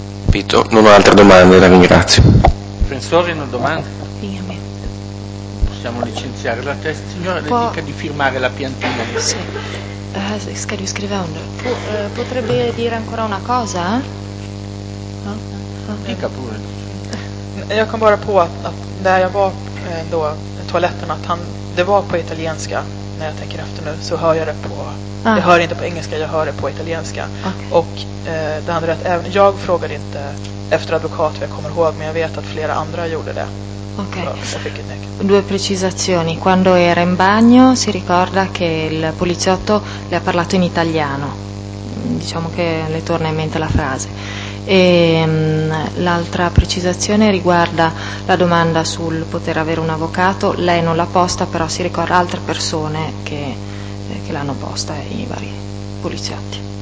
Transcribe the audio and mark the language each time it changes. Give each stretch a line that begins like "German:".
Italian: Pito, non ho altre domande, la ringrazio. Professore, una domanda? Dimmi. Possiamo licenziare la testa, signora, le dica di firmare la piantina.
Swedish: Sì. Ska du skriva under?
Italian: Potrebbe dire ancora una cosa? Dica pure.
Swedish: Jag kom bara på att där jag var då toaletten, att det var på italienska när jag tänker efter nu, så hör jag det på. Jag hör inte på engelska, jag hör det på italienska. Okay. Och det andra är att även jag frågade inte efter advokat, jag kommer ihåg, men jag vet att flera andra gjorde det.
Italian: Ok, due precisazioni. Quando era in bagno si ricorda che il poliziotto le ha parlato in italiano, diciamo che le torna in mente la frase. E l'altra precisazione riguarda la domanda sul poter avere un avvocato, lei non l'ha posta, però si ricorda altre persone che l'hanno posta, i vari poliziotti.